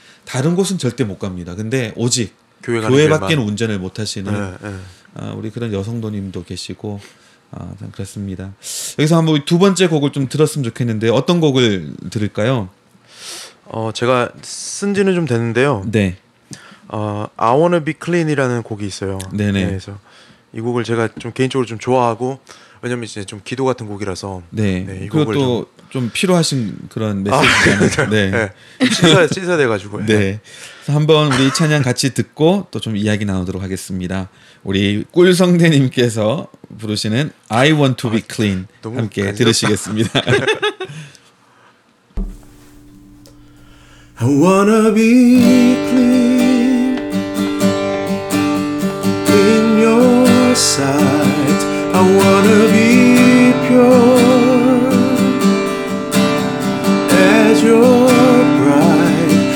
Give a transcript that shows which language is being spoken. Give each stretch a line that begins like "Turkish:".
Korean: 다른 곳은 절대 못 갑니다. 근데 오직 교회밖에 운전을 못 하시는 우리 그런 여성도님도 계시고 그렇습니다. 여기서 한번 두 번째 곡을 좀 들었으면 좋겠는데 어떤 곡을 들을까요? 제가 쓴 지는 좀 됐는데요. 네. I Wanna Be Clean이라는 곡이 있어요. 네네. 네, 그래서 이 곡을 제가 좀 개인적으로 좀 좋아하고 왜냐면 이제 좀 기도 같은 곡이라서 네. 네, 이 곡을 좀 필요하신 그런 메시지잖아요. 네. 찢어돼 가지고. 네. 한번 우리 찬양 같이 듣고 또 좀 이야기 나누도록 하겠습니다. 우리 꿀성대님께서 부르시는 I Want to Be Clean 함께 간절하다. 들으시겠습니다.
English: I wanna be clean in your sight. I wanna be pure as your bride.